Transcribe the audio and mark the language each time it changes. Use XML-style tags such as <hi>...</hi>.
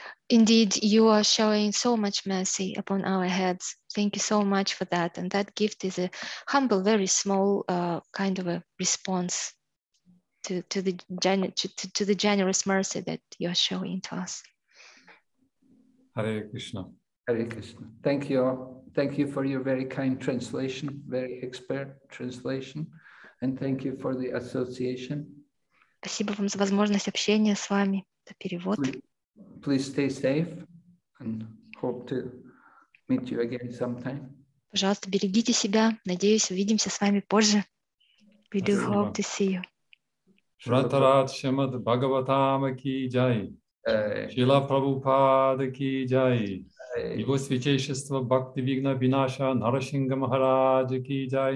<en>Indeed, you are showing so much mercy upon our heads. Thank you so much for that. And that gift is a humble, very small kind of a response to the generous mercy that you are showing to us. Hare Krishna. Hare Krishna. Thank you all. Thank you for your very kind translation, very expert translation. And thank you for the association.</en> <ru>Спасибо вам за возможность общения с вами, за перевод.</ru> <en>Please stay safe and hope to meet you again sometime.</en> <ru>Пожалуйста, берегите себя. Надеюсь, увидимся с вами позже.</ru> <en>We do hope to see you.</en> <ru>Шратарат Шимад Бхагаватам ки джай. Шрила Прабхупада ки джай. Его Святейшество Бхакти Вигна Винаша Нарасингха Махараджа ки джай.</ru>